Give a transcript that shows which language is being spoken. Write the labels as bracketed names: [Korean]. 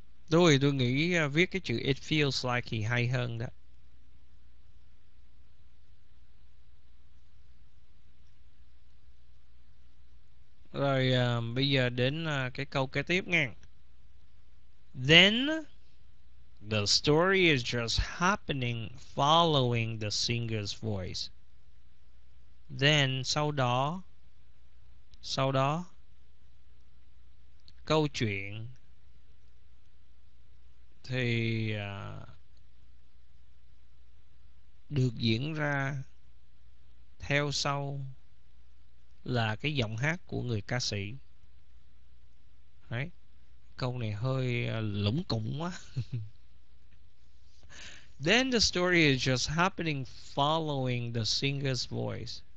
[Vietnamese] Tôi nghĩ viết cái chữ [English] it feels like [Vietnamese] thì hay hơn đó. Rồi bây giờ đến cái câu kế tiếp nghe. [English] Then the story is just happening following the singer's voice. [Vietnamese] Then sau đó câu chuyện thì được diễn ra theo sau là cái giọng hát của người ca sĩ. Đấy. Câu này hơi lủng củng quá. [English] Then the story is just happening following the singer's voice.